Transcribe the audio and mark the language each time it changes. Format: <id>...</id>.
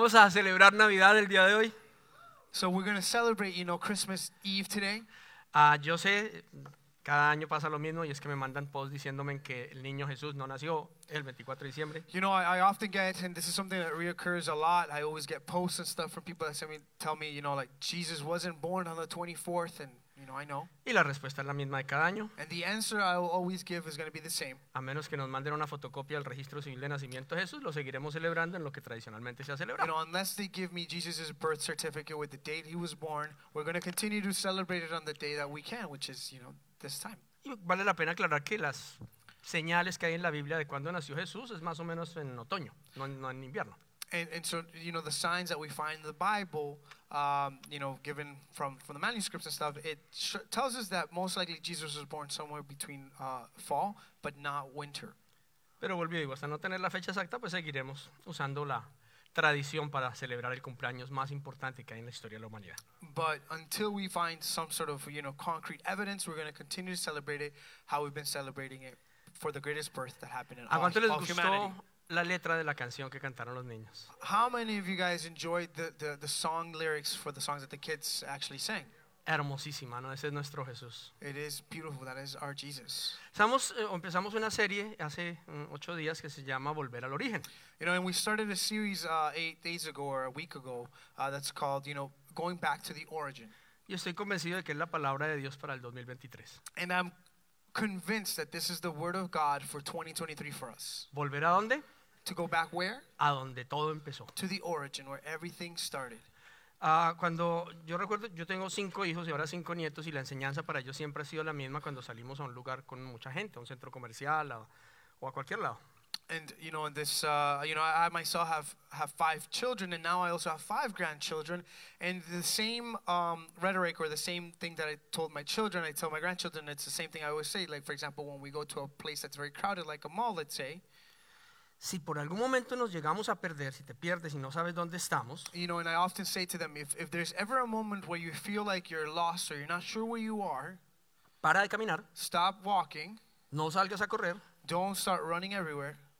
<es>Vamos a celebrar Navidad el día de hoy.</es> <en>So we're going to celebrate, you know, Christmas Eve today.</en> <es>Yo sé, cada año pasa lo mismo, y es que me mandan posts diciéndome que el niño Jesús no nació el 24 de diciembre.</es> <en>You know, I often get, and this is something that reoccurs a lot, I always get posts and stuff from people that send me, tell me, you know, like, Jesus wasn't born on the 24th, and, you know, I know.</en> <es>Y la respuesta es la misma de cada año.</es> <en>And the answer I will always give is going to be the same.</en> <es>A menos que nos manden una fotocopia del registro civil de nacimiento de Jesús, lo seguiremos celebrando en lo que tradicionalmente se ha celebrado.</es> <en>You know, unless they give me Jesus' birth certificate with the date he was born, we're going to continue to celebrate it on the day that we can, which is, you know, this time.</en> <es>Y vale la pena aclarar que las señales que hay en la Biblia de cuando nació Jesús es más o menos en otoño, no en invierno.</es> <en>And so, you know, the signs that we find in the Bible, you know, given from the manuscripts and stuff, it tells us that most likely Jesus was born somewhere between fall, but not winter.</en> <es>Pero volvió digo, hasta no tener la fecha exacta, pues seguiremos usando la tradición para celebrar el cumpleaños más importante que hay en la historia de la humanidad.</es> <en>But until we find some sort of, you know, concrete evidence, we're going to continue to celebrate it how we've been celebrating it for the greatest birth that happened in all humanity.</en> <es>¿A cuánto les gustó la letra de la canción que cantaron los niños?</es> <en>How many of you guys enjoyed the song lyrics for the songs that the kids actually sang?</en> <es>Hermosísima, ¿no? Ese es nuestro Jesús.</es> <en>It is beautiful. That is our Jesus.</en> <es>Empezamos una serie hace 8 días que se llama Volver al Origen.</es> <en>You know, and we started a series 8 days ago or a week ago that's called, you know, Going Back to the Origin.</en> <es>Yo estoy convencido de que es la palabra de Dios para el 2023.</es> <en>And I'm convinced that this is the word of God for 2023 for us.</en> <es>¿Volver a dónde?</es> <en>To go back where?</en> <es>A donde todo empezó.</es> <en>To the origin, where everything started.</en> <es>Cuando yo recuerdo, yo tengo 5 hijos y ahora 5 nietos, y la enseñanza para ellos siempre ha sido la misma cuando salimos a un lugar con mucha gente, a un centro comercial o a cualquier lado.</es> <en>And you know, this you know, I myself have 5 children, and now I also have 5 grandchildren, and the same rhetoric or the same thing that I told my children, I tell my grandchildren, it's the same thing I always say. Like, for example, when we go to a place that's very crowded, like a mall, let's say,</en> <es>si por algún momento nos llegamos a perder, si te pierdes y no sabes dónde estamos,</es> <en>you know, and I often say to them, if there's ever a moment where you feel like you're lost or you're not sure where you are,</en> <es>para de caminar,</es> <en>stop walking,</en> <es>no salgas a correr,</es> <en>don't start running everywhere,</en>